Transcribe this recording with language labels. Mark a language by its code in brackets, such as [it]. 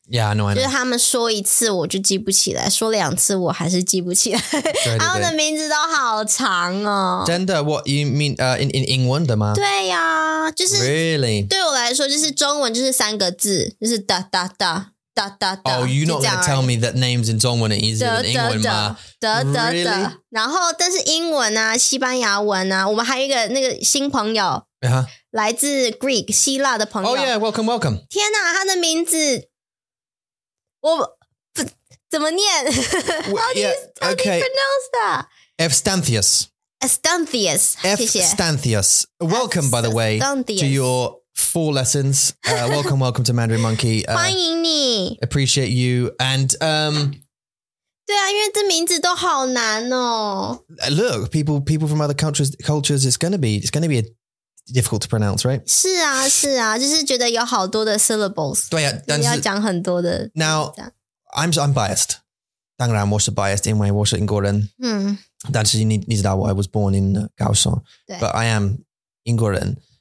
[en] Yeah, I know. [zh] 就是他们说一次我就记不起来, 说两次我还是记不起来。他们的名字都好长哦。真的, [en] what you mean, in [zh] 英文的吗? 对呀, 就是, [en] really? [zh] 对我来说, 就是中文就是三个字, 就是哒哒哒。 [en] Oh, you're not going to tell me that names in Zhongwen are easier than English, ma? Really? [zh] 然后，但是英文啊，西班牙文啊，我们还有一个那个新朋友， [en] uh-huh. [zh] 来自 Greek 希腊的朋友。 [en] Oh yeah, welcome, welcome. [zh] 天哪，他的名字我怎么念？ [en] How do you pronounce that? Evstathius. Asthanthius. Asthanthius. Welcome, by the way, to your 4 lessons. Welcome, welcome to Mandarin Monkey. [zh] 欢迎你. [en] Appreciate you. And, [zh] 对啊，因为这名字都好难哦. [en] Look, people from other cultures, it's going to be a difficult to pronounce, right? [zh] 是啊，就是觉得有好多的 syllables. 对啊，但是要讲很多的. [en] Now, I'm biased. [zh] 当然我是 biased, 因为我是英国人. [en] That's you need to know I was born in Kaohsiung, but I am 英国人.